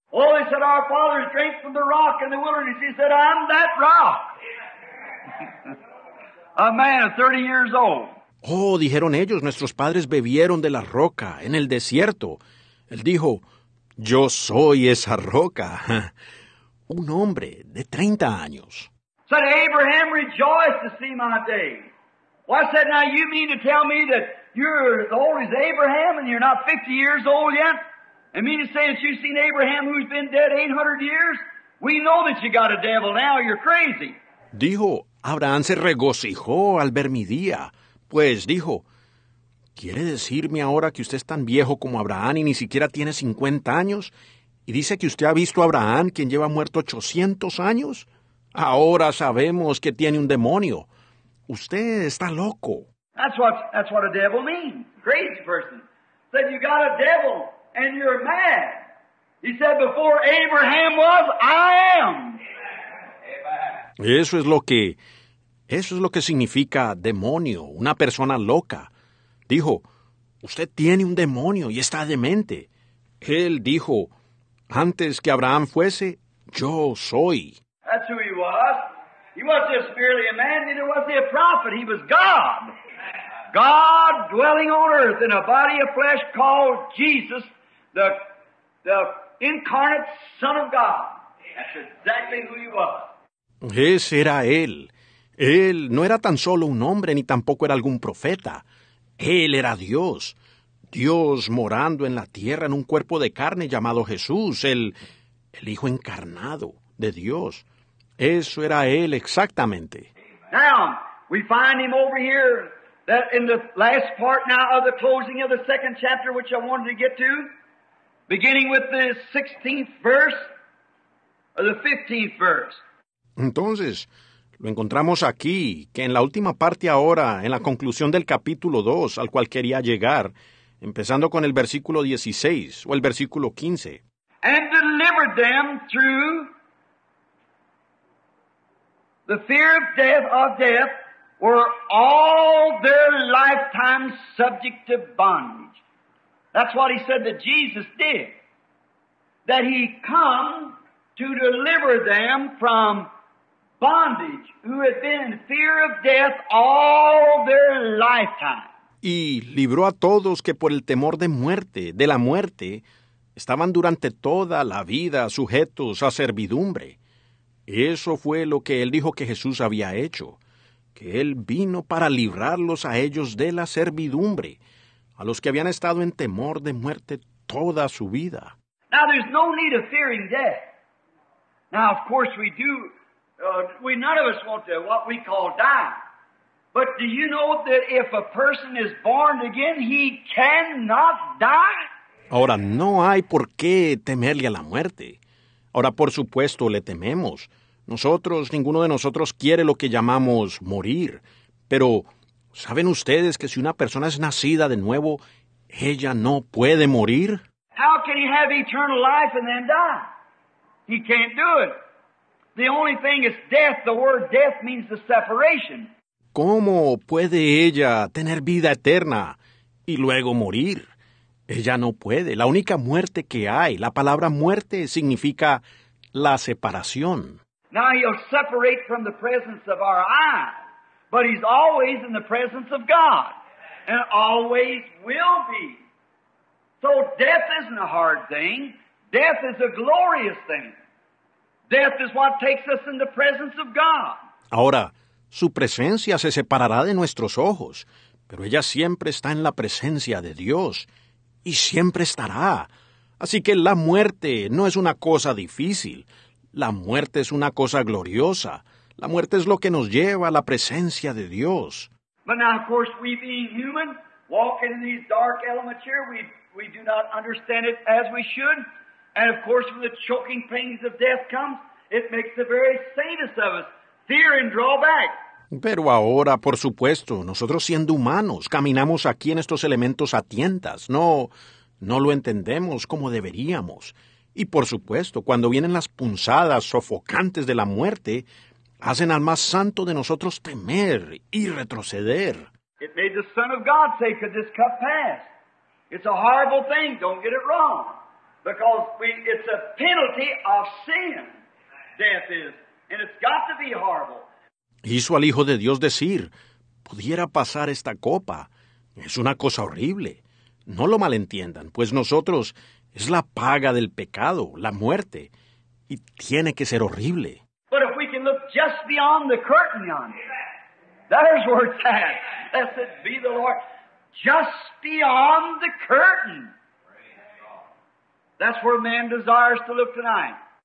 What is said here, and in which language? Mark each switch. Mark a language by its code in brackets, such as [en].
[en] Oh, they said, our fathers drank from the rock in the wilderness. He said, I'm that rock. A man of 30 years old. [es] Oh, dijeron ellos, nuestros padres bebieron de la roca en el desierto. Él dijo, yo soy esa roca. Un hombre de 30 años. [en] Said, Abraham rejoiced to see my day. Well, I said, now you mean to tell me that you're as old as Abraham and you're not 50 years old yet? I mean to say that you've seen Abraham who's been dead 800 years? We know that you got a devil now. You're crazy. [es] Dijo, Abraham se regocijó al ver mi día. Pues dijo, ¿quiere decirme ahora que usted es tan viejo como Abraham y ni siquiera tiene 50 años? Y dice que usted ha visto a Abraham, quien lleva muerto 800 años. Ahora sabemos que tiene un demonio. Usted está loco. [en] That's what a devil means. Crazy person. Said, you got a devil and you're mad. He said, before Abraham was, I am. [es] Eso es lo que significa demonio, una persona loca. Dijo, usted tiene un demonio y está demente. Él dijo, antes que Abraham fuese, yo soy. [en] That's who he was. He wasn't just merely a man, neither was he a prophet. He was God. God dwelling on earth in a body of flesh called Jesus, the incarnate Son of God. That's exactly who he was. [es] Ese era él. Él no era tan solo un hombre, ni tampoco era algún profeta. Él era Dios. Dios morando en la tierra en un cuerpo de carne llamado Jesús, el Hijo encarnado de Dios. Eso era él exactamente. [en] Now, we find him over here, that in the last part now of the closing of the second chapter, which I wanted to get to, beginning with the 16th verse, or the 15th verse. [es] Entonces, lo encontramos aquí, que en la última parte ahora, en la conclusión del capítulo 2, al cual quería llegar, empezando con el versículo 16, o el versículo 15. [en] And delivered them through the fear of death, were all their lifetime subject to bondage. That's what he said that Jesus did. That he come to deliver them from bondage, who had been in fear of death all their lifetime. [es] Y libró a todos que por el temor de la muerte, estaban durante toda la vida sujetos a servidumbre. Eso fue lo que él dijo que Jesús había hecho, que él vino para librarlos a ellos de la servidumbre, a los que habían estado en temor de muerte toda su vida. [en] Now there's no need of fearing death. Now of course we do. We none of us want to what we call die. But do you know that if a person is born again, he cannot die? [es] Ahora, no hay por qué temerle a la muerte. Ahora, por supuesto, le tememos. Nosotros, ninguno de nosotros quiere lo que llamamos morir. Pero, ¿saben ustedes que si una persona es nacida de nuevo, ella no puede morir? [en] How can he have eternal life and then die? He can't do it. The only thing is death. The word death means the separation. [es] ¿Cómo puede ella tener vida eterna y luego morir? Ella no puede. La única muerte que hay, la palabra muerte, significa la separación. [en] Now he'll separate from the presence of our eyes, but he's always in the presence of God, and always will be. So death isn't a hard thing. Death is a glorious thing. Death is what takes us in the presence of God. [es] Ahora, su presencia se separará de nuestros ojos, pero ella siempre está en la presencia de Dios y siempre estará. Así que la muerte no es una cosa difícil. La muerte es una cosa gloriosa. La muerte es lo que nos lleva a la presencia de Dios. [en] But now, of course, we being human, walking in these dark elements here, we do not understand it as we should. And of course, when the choking pains of death comes, it makes the very saintest of us fear and draw back. [es] Pero ahora, por supuesto, nosotros siendo humanos, caminamos aquí en estos elementos a tientas. No lo entendemos como deberíamos. Y por supuesto, cuando vienen las punzadas sofocantes de la muerte, hacen al más santo de nosotros temer y retroceder. [en] It made the Son of God say, could this cup pass? It's a horrible thing, don't get it wrong. Because it's a penalty of sin, death is. And it's got to be horrible. [es] Hizo al Hijo de Dios decir, pudiera pasar esta copa. Es una cosa horrible. No lo malentiendan, pues nosotros es la paga del pecado, la muerte. Y tiene que ser horrible. [en] But if we can look just beyond the curtain yonder, there's where it's at. Blessed be the Lord. Just beyond the curtain. That's where man desires to look tonight.